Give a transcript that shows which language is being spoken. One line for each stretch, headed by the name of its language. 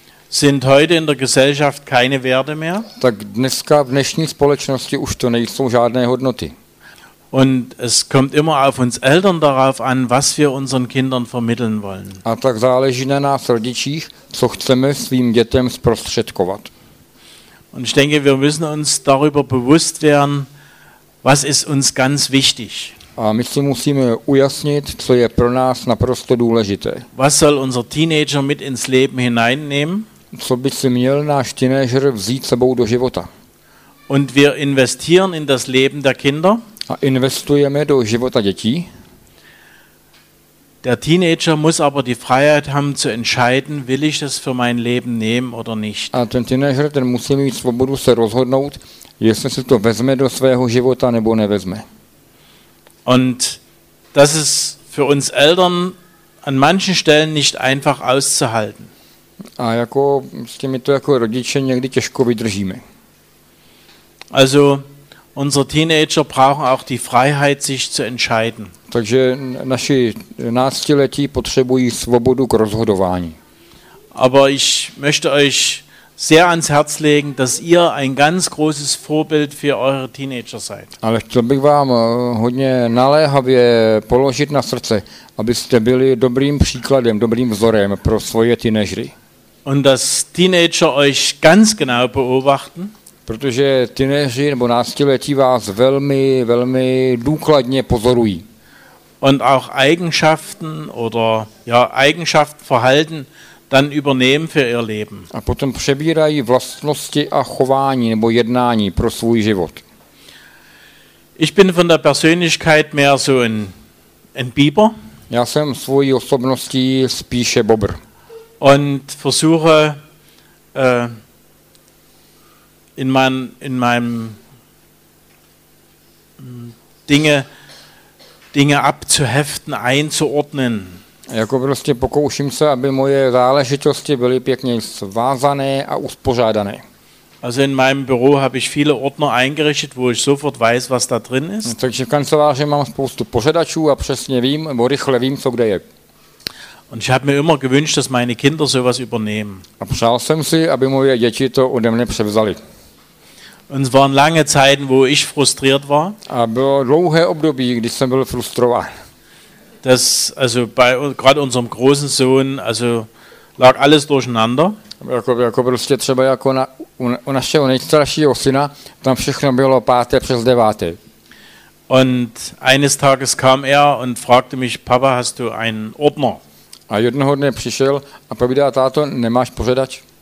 German: sind heute in der Gesellschaft keine Werte mehr.
Czech: Tak dneska v dnešní společnosti už to nejsou žádné hodnoty.
German: Und es kommt immer auf uns Eltern darauf an, was wir unseren Kindern vermitteln wollen.
Czech: A tak záleží na nás rodičích, co chceme svým dětem zprostředkovat.
German: Und ich denke, wir müssen uns darüber bewusst werden, was ist uns ganz wichtig.
Czech: A my si musíme ujasnit, co je pro nás naprosto důležité.
German: Was soll unser Teenager mit ins Leben hineinnehmen?
Czech: Co by si měl náš teenager vzít sebou do života?
German: Und wir investieren in das Leben der Kinder.
Czech: A investujeme do života dětí.
German: Der Teenager muss aber die Freiheit haben zu entscheiden, will ich das für mein Leben nehmen oder nicht.
Czech: A ten teenager, ten musí mít svobodu se rozhodnout, jestli si to vezme do svého života nebo nevezme.
German: Und das ist für uns Eltern an manchen Stellen nicht einfach auszuhalten.
Czech: A jako s těmi to jako rodiče někdy těžko vydržíme.
German: Also unsere Teenager brauchen auch die Freiheit, sich zu entscheiden.
Czech: Takže naši náctiletí potřebují svobodu k rozhodování.
German: Aber ich möchte euch sehr ans Herz legen, dass ihr ein ganz großes Vorbild für eure Teenager seid.
Czech: Ale chtěl bych vám hodně naléhavě položit na srdce, abyste byli dobrým příkladem, dobrým vzorem pro svoje teenagery.
German: Und dass Teenager euch ganz genau beobachten.
Czech: Protože teenageři nebo náctiletí vás velmi, velmi důkladně pozorují.
German: Und auch Eigenschaften oder ja, Eigenschaften verhalten dann übernehmen für ihr Leben.
Czech: A potom přebírají vlastnosti a chování nebo jednání pro svůj život.
German: Ich bin von der Persönlichkeit mehr so ein Biber.
Czech: Já jsem svojí osobností spíše bobr.
German: Und versuche in meinem Dinge abzuheften, einzuordnen.
Czech: Jako prostě pokouším se, aby moje záležitosti byly pěkně svázané a uspořádané.
German: Also in meinem Büro habe ich viele Ordner eingerichtet, wo ich sofort weiß, was da drin ist.
Czech: Takže v kanceláři mám spoustu pořadačů a přesně vím, nebo rychle vím, co kde je.
German: Und ich habe mir immer gewünscht, dass meine Kinder sowas übernehmen.
Czech: A přál jsem si, aby moje děti to ode mne převzali.
German: Und es waren lange Zeiten, wo ich frustriert war.
Czech: A bylo dlouhé období, kdy jsem byl frustrován.
German: Das, also bei gerade unserem großen Sohn, also lag alles durcheinander.
Czech: Jako prostě třeba jako u našeho nejstaršího syna, tam všechno bylo páté přes deváté.
German: Und eines Tages kam und fragte mich, Papa, hast du einen Ordner?
Czech: A jednoho dne přišel a povídá, táto, nemáš pořadač?